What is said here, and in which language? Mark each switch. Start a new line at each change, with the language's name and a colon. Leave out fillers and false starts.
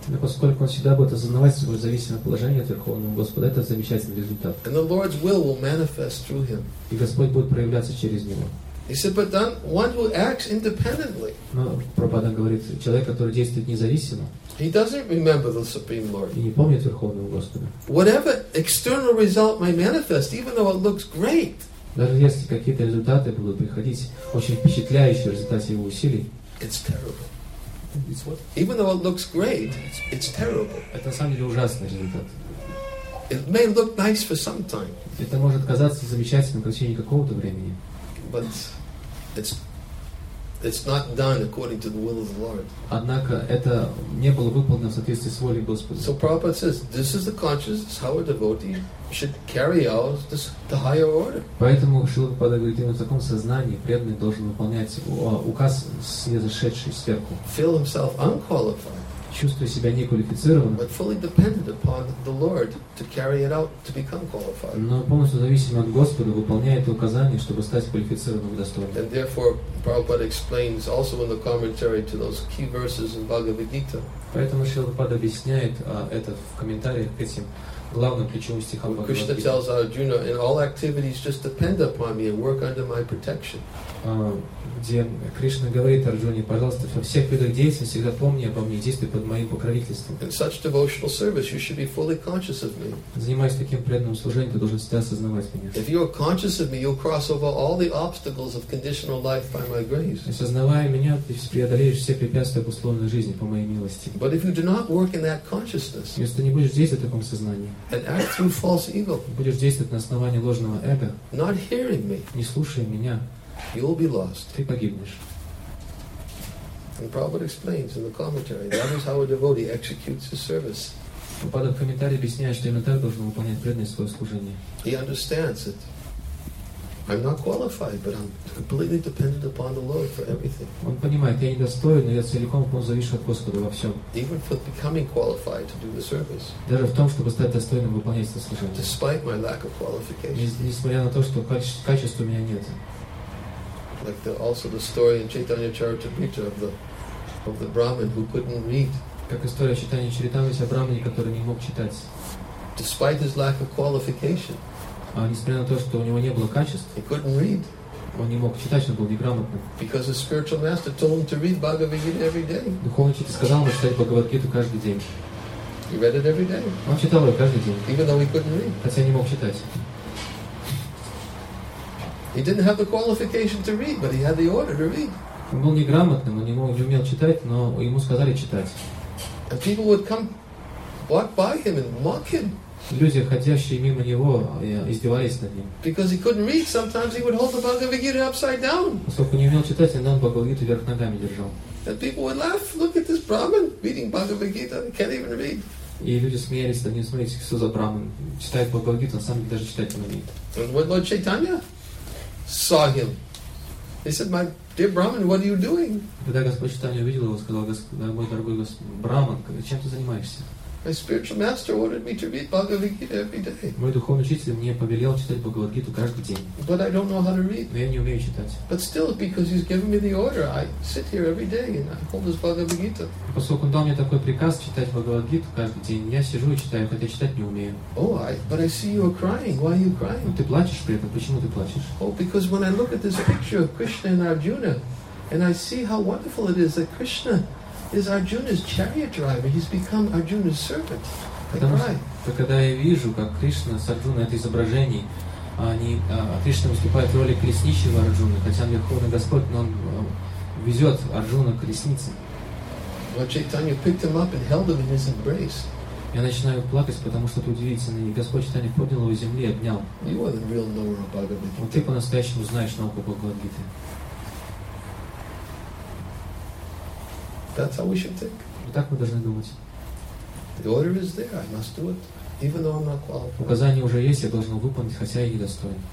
Russian: Но поскольку он всегда будет осознавать свое зависимое положение от Верховного Господа, это замечательный результат.
English: And the Lord's will manifest through him.
Russian: И Господь будет проявляться через него.
English: He said, but then one who acts independently.
Russian: Но Прабхупада говорит, человек, который действует независимо.
English: He doesn't remember the Supreme Lord.
Russian: И не помнит Верховного Господа.
English: Whatever external result might manifest, even though it looks great.
Russian: Даже если какие-то результаты будут приходить, очень впечатляющие в результате его усилий.
English: It's terrible. It's what? Even though it looks great, it's terrible.
Russian: Это на самом деле ужасный результат.
English: It may look nice for some time.
Russian: Это может казаться замечательным в течение какого-то времени.
English: But it's not done according to the will of the Lord.
Russian: Однако это не было выполнено в соответствии с волей Господа.
English: So Prabhupada says, this is the consciousness how a devotee should carry out this, the higher order.
Russian: Поэтому Шрила Прабхупада говорит, именно в таком сознании преданный должен выполнять указ снизошедший сверху.
English: Feel himself unqualified.
Russian: Чувствуя себя неквалифицированным.
English: But fully dependent upon the Lord to carry it out to become qualified.
Russian: Но полностью зависим от Господа, выполняя это указание, чтобы стать квалифицированным и достойным.
English: And therefore, Prabhupada explains also in the commentary to those key verses in Bhagavad Gita.
Russian: Поэтому Шрила Прабхупада объясняет это в комментариях к этим.
English: Krishna tells Arjuna, in all activities just depend upon me and work under my protection.
Russian: Где Кришна говорит Арджуне, пожалуйста, во всех видах деятельности всегда помни обо мне, действуй под моим покровительством.
English: In such devotional service, you should be fully conscious of me.
Russian: Занимаясь таким преданным служением, ты должен всегда осознавать меня.
English: If you are conscious of me, you'll cross over all the obstacles of conditional life by my grace.
Russian: Осознавая меня, ты преодолеешь все препятствия условной жизни по моей милости.
English: But if you do not work in that consciousness,
Russian: если ты не будешь действовать в таком сознании,
English: and act through false ego,
Russian: будешь действовать на основании ложного эго,
English: not hearing me,
Russian: не слушая меня,
English: you will be lost.
Russian: Ты погибнешь.
English: And Prabhupada explains in the commentary that is how a devotee executes his service.
Russian: Прабхупада в комментарии объясняет, что именно так должен выполнять преданный свое служение.
English: He understands it. I'm not qualified, but I'm completely dependent upon the Lord for everything.
Russian: Он понимает, я недостоин, но я целиком зависит от Господа во всем.
English: Even for becoming qualified to do the service.
Russian: Даже в том, чтобы стать достойным выполнять это служение.
English: Despite my lack of qualification.
Russian: Несмотря на то, что качеств у меня нет.
English: Like the, also the story in Chaitanya Charitamrita of the Brahmin who couldn't read.
Russian: Как история Чайтаньи Чаритамриты о брахмане, который не мог читать.
English: Despite his lack of qualification.
Russian: Несмотря на то, что у него не было качеств.
English: He couldn't read.
Russian: Он не мог читать, он был неграмотным.
English: Because his spiritual master told him to read Bhagavad Gita every day.
Russian: Духовный учитель сказал ему читать Бхагавад Гиту каждый день.
English: He read it every day.
Russian: Он читал ее каждый день.
English: Even though he couldn't read.
Russian: Хотя не мог читать.
English: He didn't have the qualification to read, but he had the order to read.
Russian: Он был неграмотным, он не умел читать, но ему сказали читать.
English: And people would come walk by him and mock him.
Russian: Люди, ходящие мимо него, издевались над ним.
English: Because he couldn't read, sometimes he would hold the Bhagavad Gita upside down.
Russian: Поскольку не умел читать, иногда он Бхагавад Гиту вверх ногами держал.
English: And people would laugh, look at this Brahmin reading Bhagavad Gita, he can't even read.
Russian: И люди смеялись над ним, смотрите, что за Брахман читает Бхагавад Гиту, он сам даже читать не умеет.
English: And when Lord Chaitanya saw him. He said, my dear Brahmin, what are you doing?
Russian: Когда Господь Читания увидел его, сказал, мой дорогой Брахман, чем ты занимаешься?
English: My spiritual master ordered me to read Bhagavad Gita every day.
Russian: Мой духовный учитель мне повелел читать Бхагавад Гиту каждый день.
English: But I don't know how to read.
Russian: Но я не умею читать.
English: But still, because he's given me the order, I sit here every day and I hold this Bhagavad Gita.
Russian: Поскольку он дал мне такой приказ читать Бхагавад Гиту каждый день, я сижу и читаю, хотя читать не умею.
English: Oh, but I see you are crying. Why are you crying?
Russian: Ты плачешь при этом. Почему ты плачешь?
English: Oh, because when I look at this picture of Krishna and Arjuna, and I see how wonderful it is that Krishna is Arjuna's chariot driver. He's become Arjuna's servant.
Russian: Потому что, когда я вижу, как Кришна с Арджуной это изображение, Кришна выступает в роли колесничего Арджуны, хотя он Верховный Господь, но он везет Арджуну к колеснице.
English: Lord Chaitanya picked him up and held him in his embrace.
Russian: Я начинаю плакать, потому что это удивительно. И Господь Чайтанья поднял его с земли и обнял.
English: You are the real knower of Bhagavad Gita.
Russian: Вот ты по-настоящему знаешь науку Бхагавад Гиты.
English: That's how we should think.
Russian: Вот так мы должны думать.
English: The order is there. I must do it, even though I'm not qualified.
Russian: Указание уже есть, я должен выполнить, хотя я недостоин.